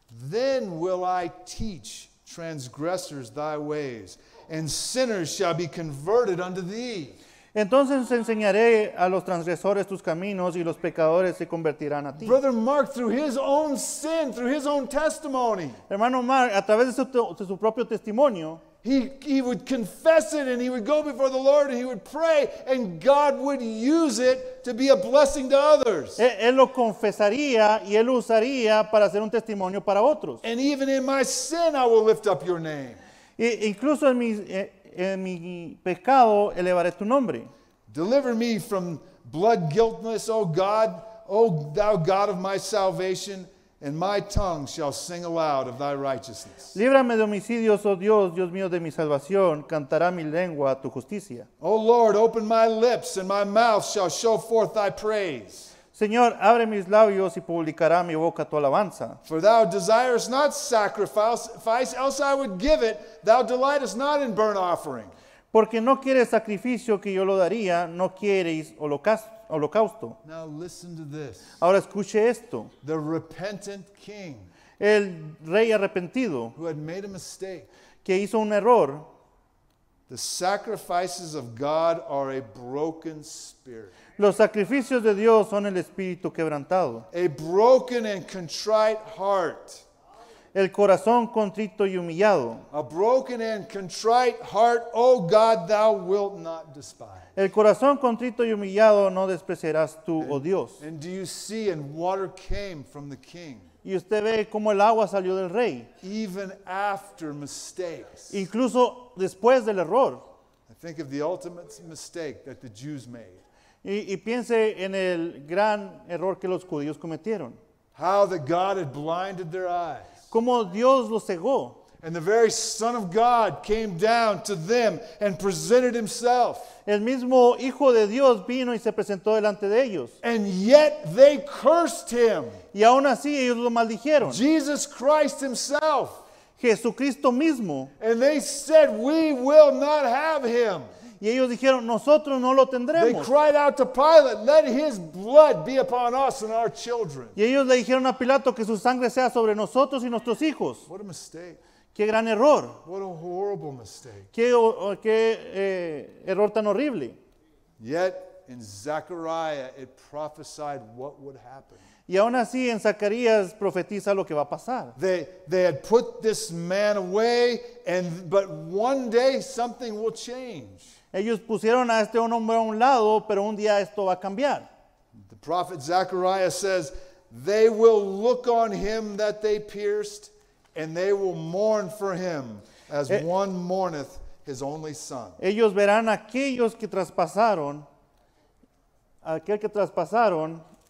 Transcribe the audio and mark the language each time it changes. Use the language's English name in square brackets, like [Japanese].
[English] Then will I teach transgressors thy ways, and sinners shall be converted unto thee. [Spanish] Entonces enseñaré a los transgresores tus caminos y los pecadores se convertirán a ti. [English] Brother Mark, through his own sin, through his own testimony. [Spanish] Hermano Mark, a través de su propio testimonio. [English] He would confess it and he would go before the Lord and he would pray and God would use it to be a blessing to others. [Spanish] Él lo confesaría y él lo usaría para hacer un testimonio para otros. [English] And even in my sin I will lift up your name. [Spanish] Incluso en mi pecado elevaré tu nombre. [English] Deliver me from blood guiltness, O God, O thou God of my salvation, and my tongue shall sing aloud of thy righteousness. [Spanish] Líbrame de homicidios, oh Dios, Dios mío de mi salvación, cantará mi lengua tu justicia. [English] O Lord, open my lips, and my mouth shall show forth thy praise. [Spanish] Señor, abre mis labios y publicará mi boca tu alabanza. [English] For thou desirest not sacrifice, else I would give it. Thou delightest not in burnt offering. [Spanish] Porque no quieres sacrificio que yo lo daría, no quieres holocausto. [English] Now listen to this. [Spanish] Ahora escuche esto. [English] The repentant king. [Spanish] El rey arrepentido. [English] Who had made a mistake. [Spanish] Que hizo un error. [English] The sacrifices of God are a broken spirit. [Spanish] Los sacrificios de Dios son el espíritu quebrantado. [English] A broken and contrite heart. [Spanish] el corazón contrito y humillado. [English] A broken and contrite heart, O God, thou wilt not despise. [Spanish] El corazón contrito y humillado no despreciarás tú, oh Dios. [English] And do you see, and water came from the king. [Spanish] Y usted ve cómo el agua salió del rey. [English] Even after mistakes. [Spanish] Incluso después del error. [English] I think of the ultimate mistake that the Jews made. [Spanish] Y piense en el gran error que los judíos cometieron. [English] How that God had blinded their eyes. [Spanish] Como Dios los cegó. [English] And the very Son of God came down to them and presented himself. [Spanish] El mismo Hijo de Dios vino y se presentó delante de ellos. [English] And yet they cursed him. [Spanish] Y aún así ellos lo maldijeron. [English] Jesus Christ himself. [Spanish] Jesucristo mismo. [English] And they said, we will not have him. [Spanish] Y ellos dijeron, nosotros no lo tendremos. [English] They cried out to Pilate, let his blood be upon us and our children. [Spanish] Y ellos le dijeron a Pilato que su sangre sea sobre nosotros y nuestros hijos. [English] What a mistake. [Spanish] Qué gran error. [English] What a horrible mistake. [Spanish] Qué error tan horrible. [English] Yet in Zechariah it prophesied what would happen. [Spanish] Y aún así en Zacarías profetiza lo que va a pasar. [English] They had put this man away, but one day something will change. [Spanish] Ellos pusieron a este hombre a un lado, pero un día esto va a cambiar. [English] The prophet Zechariah says, they will look on him that they pierced, and they will mourn for him as one mourneth his only son. [Spanish] Ellos verán a aquellos que traspasaron, aquel que traspasaron.